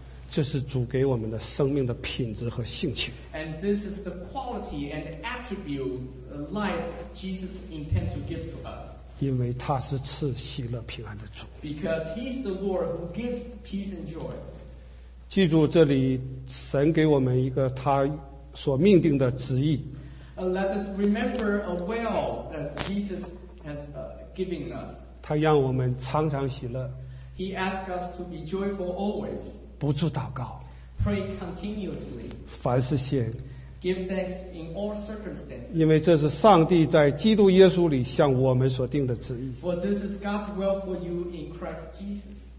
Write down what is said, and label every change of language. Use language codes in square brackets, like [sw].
[zh] 这是主给我们的生命的品质和性情。 [en] And this is the quality and attribute life Jesus intends to give to us. [zh] 因为他是赐喜乐平安的主。 [en] Because he is the Lord who gives peace and joy. [zh] 记住这里神给我们一个他所命定的旨意。 [en] Let us remember a well that Jesus has given us. [zh] 他让我们常常喜乐。 [en] He asks us to be joyful always. [zh] 不住祷告。 [en] Pray continuously. [zh] 凡事献。 [en] Give thanks in all circumstances. [zh] 因为这是上帝在基督耶稣里向我们所定的旨意。 [en] For this is God's will for you in Christ Jesus.